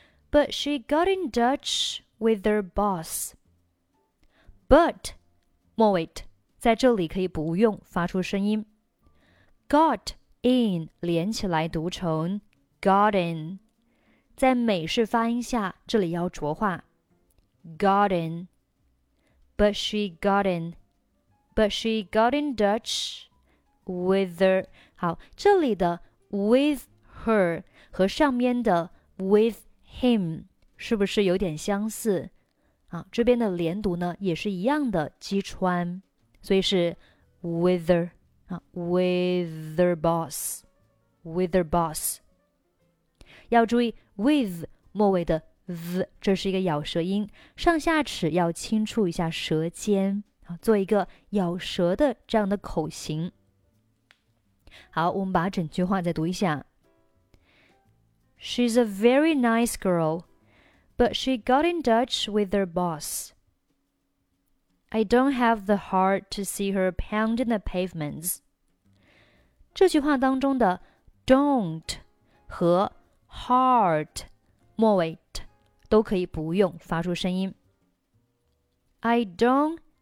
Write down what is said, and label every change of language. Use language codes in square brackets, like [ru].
[en] But she got in touch with her boss. [zh] But, 末尾，在这里可以不用发出声音。 [en] Got in, [zh] 连起来读成 [en] got in. [zh] 在美式发音下，这里要浊化。 [en] Got in. But she got in. But she got in touch with her. [zh] 好，这里的 [en] with her [zh] 和上面的 [en] with him [zh] 是不是有点相似？好，这边的连读呢也是一样的击穿，所以是 [en] with her, with her boss, [zh] with her boss. 要注意 with 末尾的 z, 这是一个咬舌音，上下齿要轻触一下舌尖。做一个咬舌的这样的口型。好，我们把整句话再读一下。 [en] She's a very nice girl, but she got in touch with her boss. I don't have the heart to see her pounding the pavements. [zh] 这句话当中的 don't 和 heart 末尾 t 都可以不用发出声音。 [en] I don't.